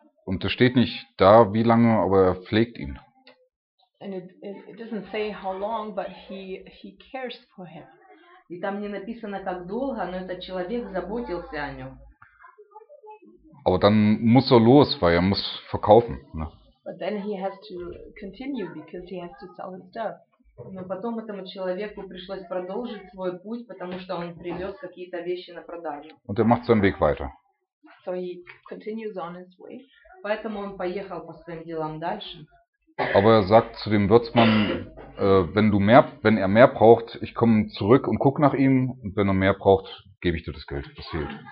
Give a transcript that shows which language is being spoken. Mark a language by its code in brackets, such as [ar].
[de] Und es steht nicht da, wie lange, aber er pflegt ihn. [en] And it doesn't say how long, but he cares for him. [ru] И там не написано, как долго, но этот человек заботился о нем. [de] Aber dann muss los, weil muss verkaufen. Ne? [en] But then he has to continue because he has to sell his stuff. [ru] Но потом этому человеку пришлось продолжить свой путь, потому что он привез какие-то вещи на продажу. [de] Und macht seinen Weg weiter. [en] So he continues on his way. [ru] Поэтому он поехал по своим делам дальше. [de] Aber er sagt zu dem Wirtsmann, wenn er mehr braucht, ich komme zurück und gucke nach ihm. Und wenn er mehr braucht, gebe ich dir das Geld, das fehlt.